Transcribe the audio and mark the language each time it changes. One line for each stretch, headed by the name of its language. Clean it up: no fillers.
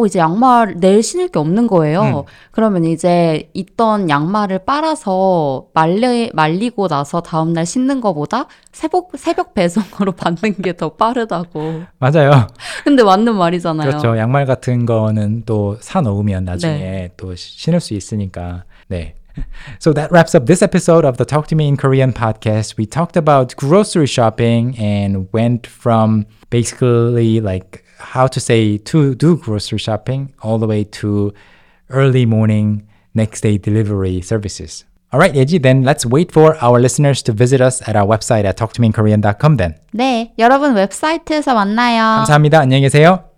Korean: 이제 양말 내일 신을 게 없는 거예요. 그러면 이제 있던 양말을 빨아서 말리고 나서 다음 날 신는 거보다 새벽 배송으로 받는 게 더 빠르다고. 맞아요. 근데 맞는 말이잖아요. 그렇죠. 양말 같은 거는 또 사 놓으면 나중에 네. 또 신을 수 있으니까. 네.
English: So that wraps up this episode of the Talk to Me in Korean podcast. We talked about grocery shopping and went from basically like how to say to do grocery shopping all the way to early morning next day delivery services. All right, Yeji, then let's wait for our listeners to visit us at our website at talktomeinkorean.com then.
Korean: 네, 여러분 웹사이트에서 만나요. 감사합니다. 안녕히 계세요.